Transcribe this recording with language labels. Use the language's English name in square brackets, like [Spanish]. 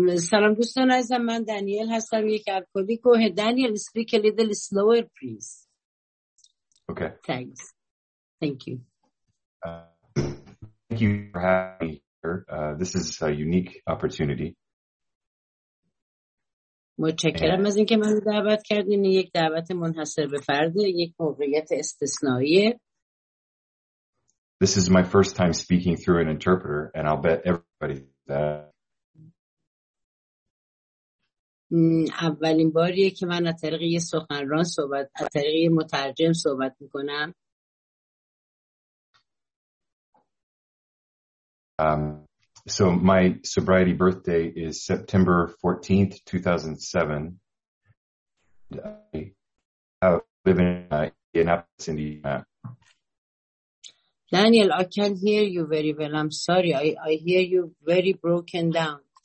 [Persian] سلام دوستان عزیزم، من دانیل هستم، یک الکلی. [English] Go ahead, Daniel. Speak a little slower, please. Okay. Thanks. Thank you. Thank you for having me. This is a unique opportunity. [Persian] متشکرم از اینکه منو دعوت کردین. یک دعوت منحصر به فرد، یک موقعیت استثنائیه. [English] This is my first time speaking through an interpreter, and I'll bet everybody that. [Persian] اولین باریه که من از طریق یه سخنران صحبت، از طریق مترجم صحبت میکنم. [English] So my sobriety birthday is September 14th, 2007. I live in Indiana. Daniel, I can't hear you very well. I'm sorry. I hear you very broken down.